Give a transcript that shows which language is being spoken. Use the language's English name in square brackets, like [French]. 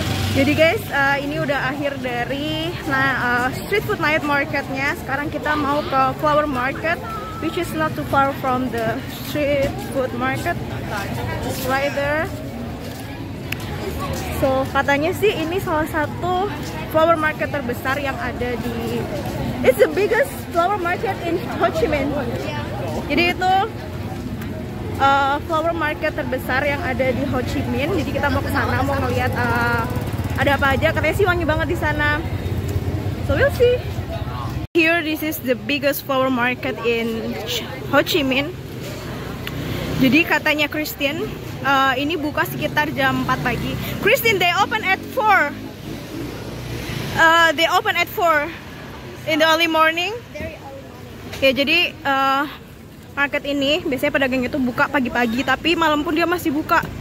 [Indonesian] Jadi guys, ini udah akhir dari street food night marketnya. Sekarang kita mau ke [English] flower market, which is not too far from the street food market. It's right there. [Indonesian] So katanya sih ini salah satu flower market terbesar yang ada di. [English] It's the biggest flower market in Ho Chi Minh. [Indonesian] Jadi itu flower market terbesar yang ada di Ho Chi Minh. Jadi kita mau ke sana mau ngeliat. Ada apa aja, katanya sih wangi banget di sana. [English] So we'll see. Here this is the biggest flower market in Ho Chi Minh. [Indonesian] Jadi katanya Christian, ini buka sekitar jam 4 pagi. [English] Christian, they open at 4. They open at 4 in the early morning. [Indonesian] Ya yeah, jadi market ini biasanya pedagang itu buka pagi-pagi, tapi malam pun dia masih buka.